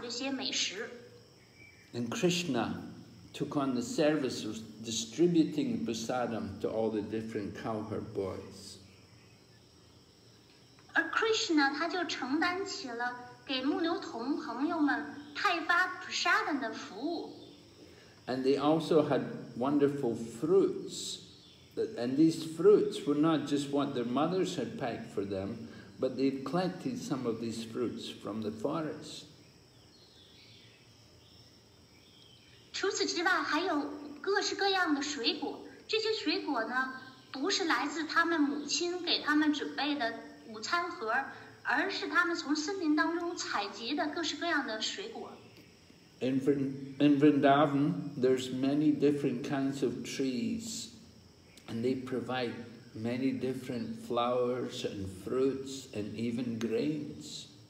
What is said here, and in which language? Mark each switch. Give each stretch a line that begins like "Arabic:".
Chinese: 这些牧牛童朋友的母亲们都给他们精心准备了美味可口的食物，现在他们就准备在彼此之间分享这些美食。
English: And Krishna took on the service of distributing prasadam to all the different cowherd boys.
Chinese: 而 Krishna 他就承担起了给牧牛童朋友们派发 prasadam 的服务。
English: And they also had wonderful fruits. And these fruits were not just what their mothers had packed for them, but they've collected some of these fruits from the forest.
Chinese: 除此之外还有各式各样的水果。这些水果呢，不是来自他们母亲给他们准备的午餐盒，而是他们从森林当中采集的各式各样的水果。
English: In Vrindavan, there's many different kinds of trees, and they provide many different flowers and fruits and even grains.